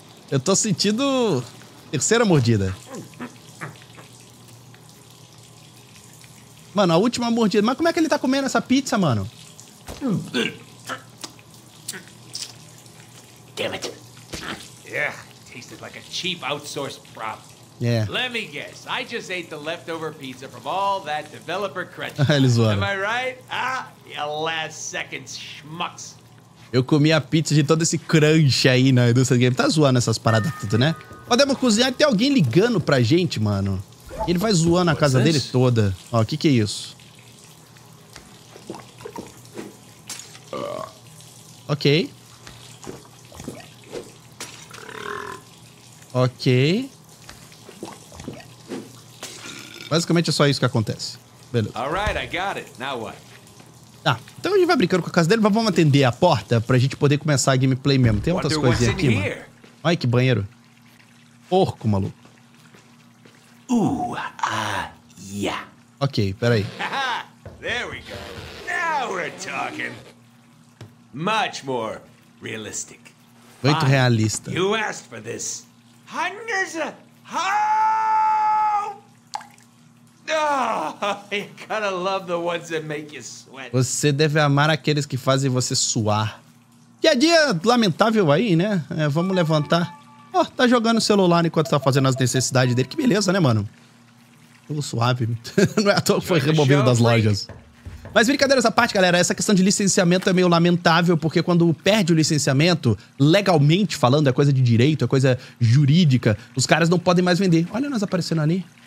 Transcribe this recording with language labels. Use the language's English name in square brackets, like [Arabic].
[Portuguese] Eu tô sentindo terceira mordida. Mano, a última mordida. Mas como é que ele tá comendo essa pizza, mano? [English] Damn it. Yeah, tasted like a cheap outsourced prop. Yeah. Let me guess. I just ate the leftover pizza from all that developer crunch. [Portuguese] Eles zoaram. [English] Am I right? Ah, you last second schmucks. [Portuguese] Eu comi a pizza de todo esse crunch aí na indústria do game. Tá zoando essas paradas tudo, né? Podemos cozinhar e tem alguém ligando pra gente, mano. Ele vai zoando a casa dele toda. Ó, que é isso? Ok. Ok. Basicamente é só isso que acontece. Beleza. [English] All right, I got it. Now what? [Portuguese] Tá, então a gente vai brincando com a casa dele, mas vamos atender a porta pra gente poder começar a gameplay mesmo. Tem outras coisinhas aqui, mano. Olha que banheiro. Porco, maluco. [English] Yeah. [Portuguese] Ok, peraí. [English] There we go. Now we're talking. Much more realistic. [Portuguese] Muito realista. [English] You asked for this. Hunger's a help! Oh, you gotta love the ones that make you sweat. [Portuguese] Você deve amar aqueles que fazem você suar. Dia a dia lamentável aí, né? É, vamos levantar. Ó, oh, tá jogando o celular enquanto tá fazendo as necessidades dele. Que beleza, né, mano? Tudo suave. Não é à toa que foi removido das lojas. Mas brincadeiras à parte, galera, essa questão de licenciamento é meio lamentável, porque quando perde o licenciamento, legalmente falando, é coisa de direito, é coisa jurídica, os caras não podem mais vender. Olha nós aparecendo ali.